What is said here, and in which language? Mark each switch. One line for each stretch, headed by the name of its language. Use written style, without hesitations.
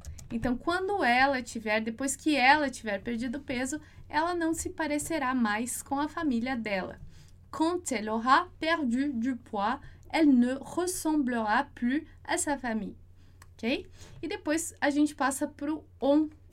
Portuguese: Então, depois que ela tiver perdido peso, ela não se parecerá mais com a família dela.
French: Quand elle aura perdu du poids, elle ne ressemblera plus à sa famille. Ok?
Portuguese: E depois a gente passa pro on.